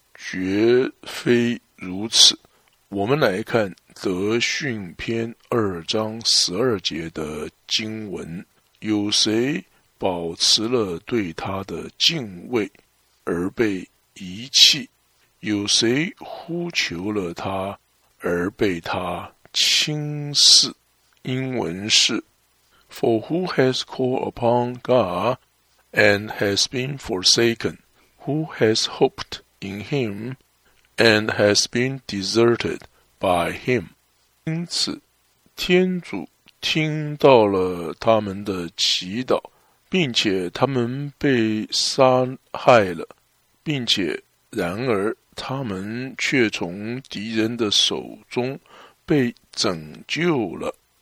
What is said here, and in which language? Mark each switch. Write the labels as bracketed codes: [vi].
[zh] 绝非如此。我们来看德训篇二章十二节的经文，有谁保持了对他的敬畏而被遗弃？有谁呼求了他而被他轻视？英文是 [en] For who has called upon God and has been forsaken? Who has hoped in him and has been deserted by him? [zh] 因此天主听到了他们的祈祷，并且他们被杀害了，并且然而他们却从敌人的手中被拯救了。